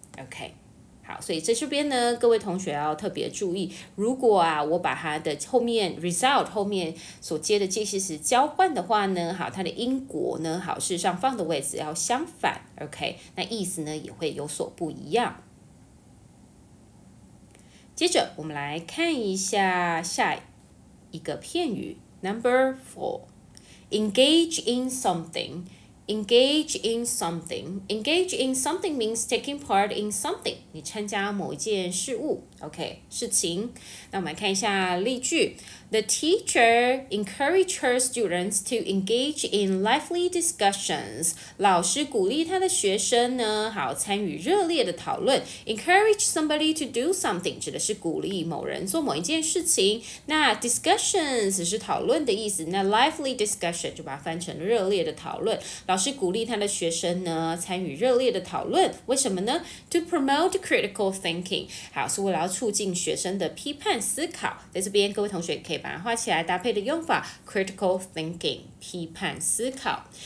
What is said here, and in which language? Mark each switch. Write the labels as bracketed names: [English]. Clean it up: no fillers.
[Chinese] OK，好，所以在这边呢，各位同学要特别注意，如果啊，我把它的后面 result 后面所接的介系词交换的话呢，好，它的因果呢，好，事实上放的位置要相反 ，OK， 那意思呢也会有所不一样。接着我们来看一下下一个片语 ， [English] Number four， engage in something。 Engage in something. Engage in something means taking part in something. [Chinese] 你参加某一件事物。 [English] OK， [Chinese] 事情。那我们看一下例句 [English] ，The teacher encouraged her students to engage in lively discussions。 [Chinese] 老师鼓励他的学生呢，好参与热烈的讨论。 [English] Encourage somebody to do something [Chinese] 指的是鼓励某人做某一件事情。那 discussions 是讨论的意思，那 lively discussion 就把它翻成热烈的讨论。老师鼓励他的学生呢，参与热烈的讨论，为什么呢 ？ [English] To promote critical thinking， [Chinese] 好是为了促进学生的批判思考，在这边各位同学可以把它画起来，搭配的用法 critical thinking 批判思考。